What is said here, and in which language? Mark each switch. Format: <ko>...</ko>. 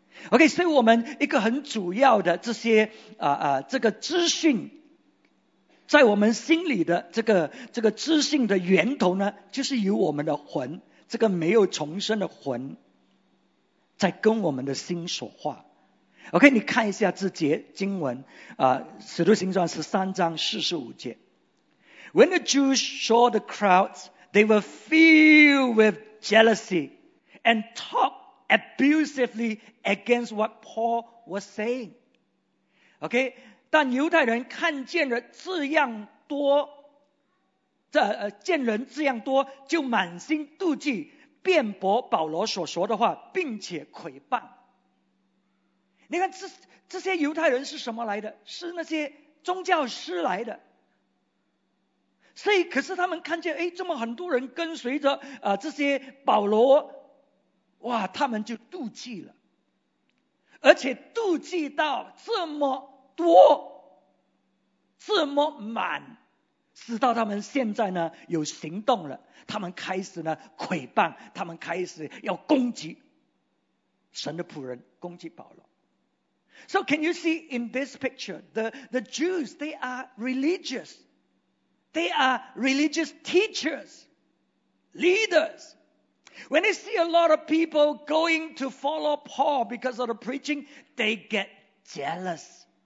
<zh>OK， 所以我们一个很主要的这些这个资讯， 在我们心里的这个知性的源头呢， 就是由我们的魂， 这个没有重生的魂在跟我们的心说话。 OK， 你看一下这节经文， 使徒行传13:45。</zh> <en>When the Jews saw the crowds, they were filled with jealousy and talked abusively against what Paul was saying.</en> <zh>OK， 但犹太人看见了这样多见人这样多就满心妒忌辩驳保罗所说的话并且诽谤。你看这些犹太人是什么来的，是那些宗教师来的。所以可是他们看见这么很多人跟随着这些保罗，哇，他们就妒忌了，而且妒忌到这么 多，这么满，使到他们现在呢有行动了，他们开始呢诽谤，他们开始要攻击神的仆人，攻击保罗。</zh> <en>So can you see in this picture, the Jews, they are religious. They are religious teachers, leaders. When they see a lot of people going to follow Paul because of the preaching, they get jealous.</en>